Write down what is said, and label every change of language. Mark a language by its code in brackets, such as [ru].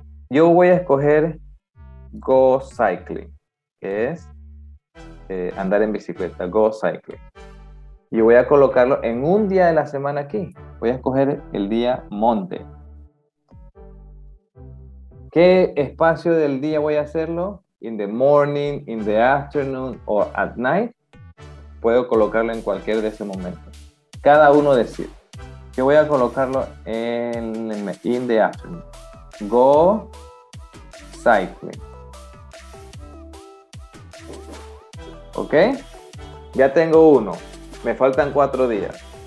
[es] Yo voy a escoger [en] go cycling, [es] que es andar en bicicleta, go cycling. Y voy a colocarlo en un día de la semana aquí. Voy a escoger el día Monday. ¿Qué espacio del día voy a hacerlo? [en] In the morning, in the afternoon, or at night. [es] Puedo colocarlo en cualquier de ese momento. Cada uno decide. Yo voy a colocarlo en [en] in the afternoon. Go cycling. [es] ¿Ok? Ya tengo uno. Me faltan 4 días.